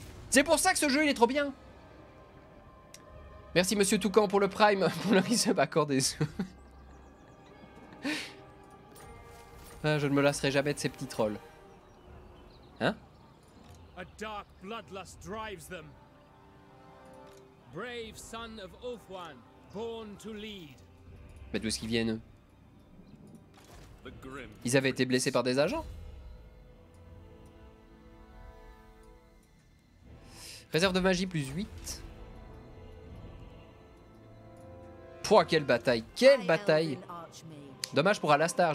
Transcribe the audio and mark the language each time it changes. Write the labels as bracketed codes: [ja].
[fr] C'est pour ça que ce jeu, il est trop bien. Merci, monsieur Toucan, pour le Prime. Pour le resub, accord des sous. Je ne me lasserai jamais de ces petits trolls. Hein? [en] A dark bloodlust drives them. Brave son of Ulthuan, born to lead. [fr] Mais d'où est-ce qu'ils viennent? Ils avaient été blessés par des agents. Réserve de magie plus 8. Pouah, quelle bataille! Quelle bataille! Dommage pour Alastar.